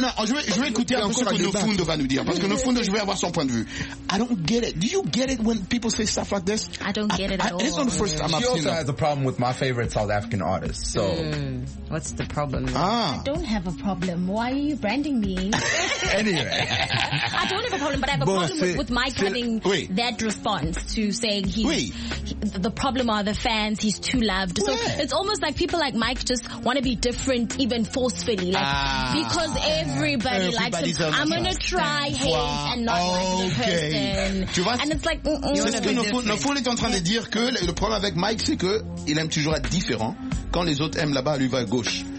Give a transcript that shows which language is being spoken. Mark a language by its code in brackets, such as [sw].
[fr] Je vais écouter un peu ce que Nofundo va nous dire. Parce que Nofundo, je veux avoir son point de vue. [en] I don't get it. Do you get it when people say stuff like this? I don't get it at all. It's not the first time I've seen it. She also has a problem with my favorite South African artist. So. What's the problem? I don't have a problem. Why are you branding me? Anyway. I don't have a problem, but I have a problem with Mike having that response to saying the problem are the fans, he's too loved. So it's almost like people like Mike just want to be different, even forcefully. Because everybody likes him. I'm going to try hate and not like the person. [fr] Tu vois, [en] and it's like, [fr] c'est ce que Nofoul est en train de dire, que le problème avec Mike, c'est qu'il aime toujours être différent. Quand les autres aiment là-bas, lui va à gauche.